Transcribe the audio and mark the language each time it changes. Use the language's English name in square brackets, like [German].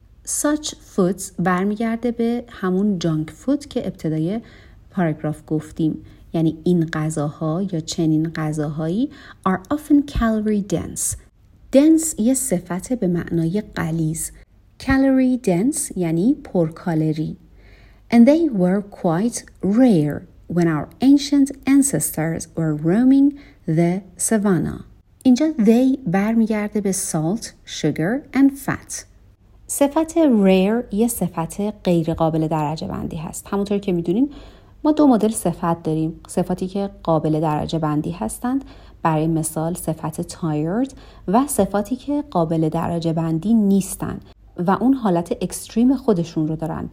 [English] Such foods [Persian] برمیگرده به همون junk food که ابتدای پاراگراف گفتیم. یعنی این غذاها یا چنین غذاهایی [English] are often calorie dense. [Persian] Dense یه صفت به معنای غلیظ. Calorie dense یعنی پر کالری. [English] And they were quite rare when our ancient ancestors were roaming the savanna. [Persian] اینجا they برمیگرده به [English] salt, sugar and fat. [Persian] صفت rare یه صفت غیر قابل درجه بندی هست. همونطور که میدونین ما دو مدل صفت داریم. صفتی که قابل درجه بندی هستند، برای مثال صفت tired، و صفتی که قابل درجه بندی نیستند و اون حالت اکستریم خودشون رو دارن.